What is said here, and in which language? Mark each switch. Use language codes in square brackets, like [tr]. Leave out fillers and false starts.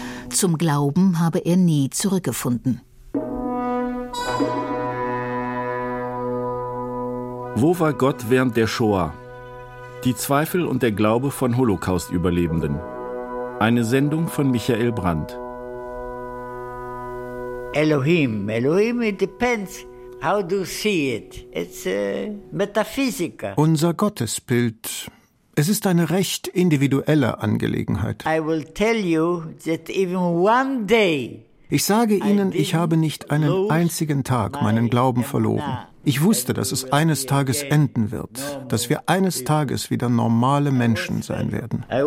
[de] Zum Glauben habe er nie zurückgefunden. Wo war Gott während der Shoah? Die Zweifel und der Glaube von Holocaust-Überlebenden. Eine Sendung von Michael Brandt. [en] Elohim, it depends how do you see it. It's a metaphysical. [de] Unser Gottesbild. Es ist eine recht individuelle Angelegenheit. [en] I will tell you that even one day. [de] Ich sage Ihnen, ich habe nicht einen einzigen Tag meinen Glauben verloren. Ich wusste, dass es eines Tages enden wird, dass wir eines Tages wieder normale Menschen sein werden.